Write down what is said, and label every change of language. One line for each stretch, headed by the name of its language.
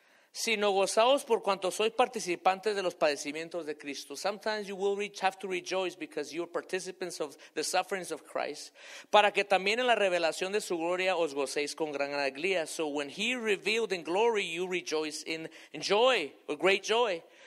Spanish: Sino gozaos por cuanto sois participantes de los padecimientos de Cristo.
English: Sometimes you will have to rejoice because you are participants of the sufferings of Christ.
Spanish: Para que también en la revelación de su gloria os gocéis con gran alegría.
English: So when he revealed in glory, you rejoice in joy, or great joy.